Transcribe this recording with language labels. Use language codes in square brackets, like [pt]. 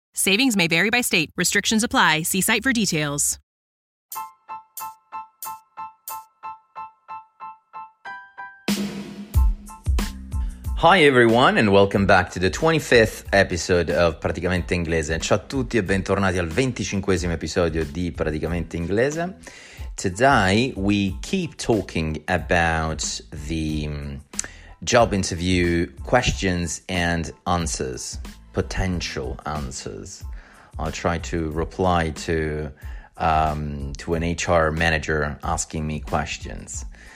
[en] Savings may vary by state. Restrictions apply. See site for details. Hi everyone and welcome back to the 25th episode of Praticamente Inglese. [it] Ciao a tutti e bentornati al 25esimo episodio di Praticamente Inglese. [en] Today we keep talking about the job interview questions and answers, potential answers. I'll try to reply to an HR manager asking me questions.